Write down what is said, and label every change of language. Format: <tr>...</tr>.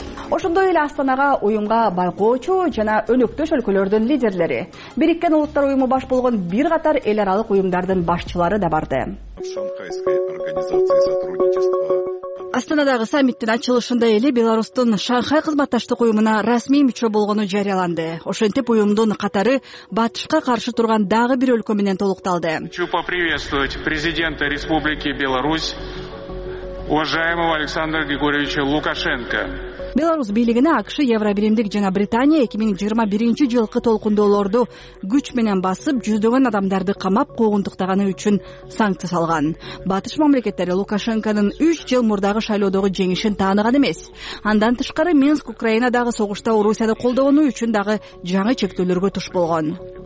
<ky>Ошондой эле Астанага уюмга байкоочу жана өнөктөш өлкөлөрдүн лидерлери, Бириккен Улуттар Уюму баш болгон бир катар эл аралык уюмдардын башчылары да барды. Астанадагы саммиттин ачылышында эле Беларусьтун Шанхай кызматташтык уюмуна расмий мүчө болгону жарыяланды. Ошентип уюмдун катары батышка каршы турган дагы бир өлкө менен толукталды.</ky> <ru>Хочу поприветствовать президента Республики Беларусь, уважаемого Александра Григорьевича Лукашенко.</ru> <ky>Беларусь бийлигине АКШ, Евробиримдик жана Британия 2021 жылкы толкундоолорду күч менен басып, жүздөгөн адамдарды камап куугунтуктаганы үчүн санкция салган. Батыш мамлекеттери Лукашенконун 3 жыл мурдагы шайлоодогу жеңишин тааныган эмес. Андан тышкары Минск Украинадагы согушта Орусияны колдогону үчүн дагы жаңы чектөөлөргө туш болгон.</ky>